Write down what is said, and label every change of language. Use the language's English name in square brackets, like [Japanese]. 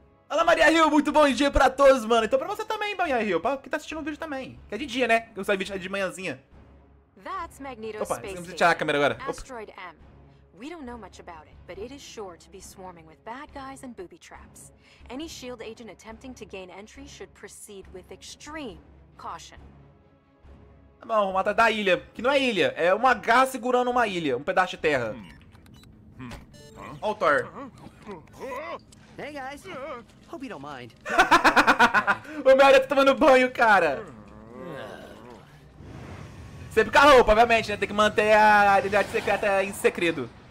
[Portuguese] Olá, Maria Rio, muito bom dia pra todos, mano. Então pra você também, Maria Rio, pra quem tá assistindo o vídeo também. Que é de dia, né, que eu saio vídeo de manhãzinha. Opa, vamos tirar a câmera agora. Opa. [English] We don't know much about it, but it is sure to be swarming with bad guys and booby traps. Any S.H.I.E.L.D. agent attempting to gain entry should proceed with extreme caution. [Portuguese] Tá bom, vamos matar da ilha, que não é ilha, é uma garra segurando uma ilha, um pedaço de terra. Ó o Thor. [English] Hey guys, hope you don't mind. [Portuguese] O meu olho tá tomando banho, cara. Sempre com a roupa, obviamente, né, tem que manter a identidade secreta em segredo.